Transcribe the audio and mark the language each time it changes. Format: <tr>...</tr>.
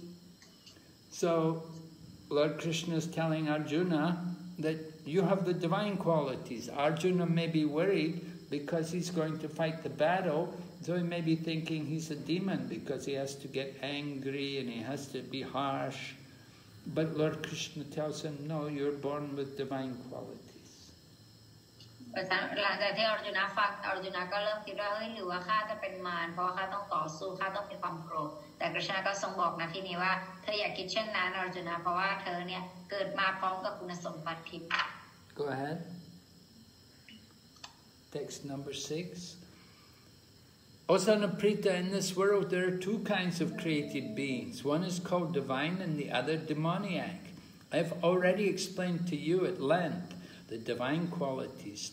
<en>So Lord Krishna is telling Arjuna that you have the divine qualities. Arjuna may be worried because he's going to fight the battle, so he may be thinking he's a demon because he has to get angry and he has to be harsh. But Lord Krishna tells him, no, you're born with divine qualities.</en> <th>แต่หลังจากที่อาร์จุนาก็เริ่มคิดว่าเฮ้ยหรือว่าข้าจะเป็นมารเพราะข้าต้องต่อสู้ข้าต้องมีความโกรธแต่กฤษณะก็ทรงบอกนะที่นี้ว่าเธออย่าคิดเช่นนั้นอาร์จุนาเพราะว่าเธอเนี่ยเกิดมาพร้อมกับคุณสมบัติทิพย์</th> <en>Go ahead Text number 6 O son of Prita, in this world there are two kinds of created beings. One is called divine and the other demoniac. I have already explained to you at lengthThe divine qualities.</en>